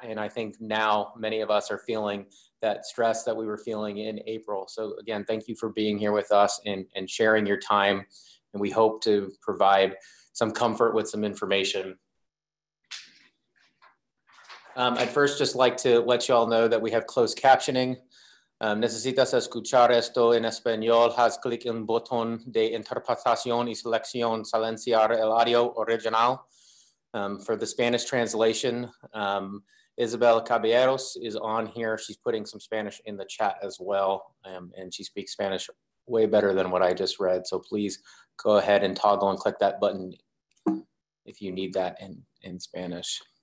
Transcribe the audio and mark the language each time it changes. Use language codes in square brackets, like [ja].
[en] And I think now many of us are feeling that stress that we were feeling in April. So again, thank you for being here with us and sharing your time. And we hope to provide some comfort with some information. I'd first just like to let you all know that we have closed captioning. [es] Necesitas escuchar esto en español, has clic en botón de interpretación y selección silenciar el audio original. [en] For the Spanish translation, Isabel Caballeros is on here. She's putting some Spanish in the chat as well, and she speaks Spanish way better than what I just read. So please go ahead and toggle and click that button if you need that in Spanish.